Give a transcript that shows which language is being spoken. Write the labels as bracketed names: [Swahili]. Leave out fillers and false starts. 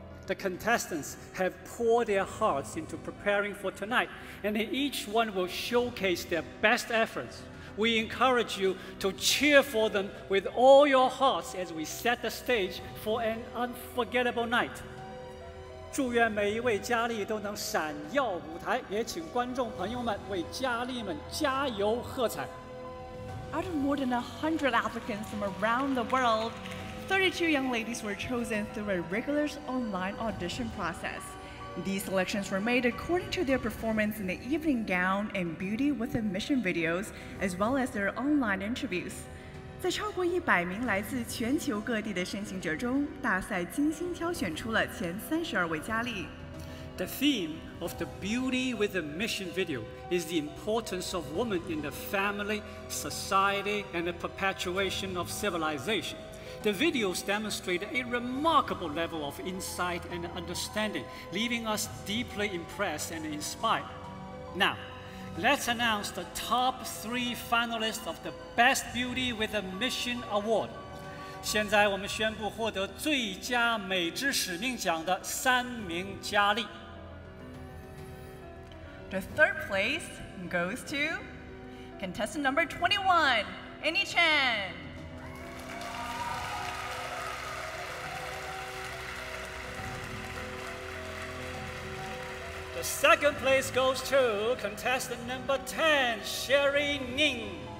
[English] The contestants have poured their hearts into preparing for tonight, and each one will showcase their best efforts. We encourage you to cheer for them with all your hearts as we set the stage for an unforgettable night. [Chinese] 祝愿每一位佳丽都能闪耀舞台，也请观众朋友们为佳丽们加油喝彩。 [English] Out of more than 100 applicants from around the world, 32 young ladies were chosen through a rigorous online audition process. These selections were made according to their performance in the evening gown and beauty with the mission videos, as well as their online interviews. [Chinese] 在超过100名来自全球各地的申请者中，大赛精心挑选出了前32位佳丽。 [English] The theme of the Beauty with a Mission video is the importance of women in the family, society, and the perpetuation of civilization. The videos demonstrate a remarkable level of insight and understanding, leaving us deeply impressed and inspired. Now. Let's announce the top three finalists of the Best Beauty with a Mission Award. [Chinese] 现在我们宣布获得最佳美之使命奖的三名佳丽。 [English] The third place goes to contestant number 21, Annie Chan. Second place goes to contestant number 10, Sherry Ning.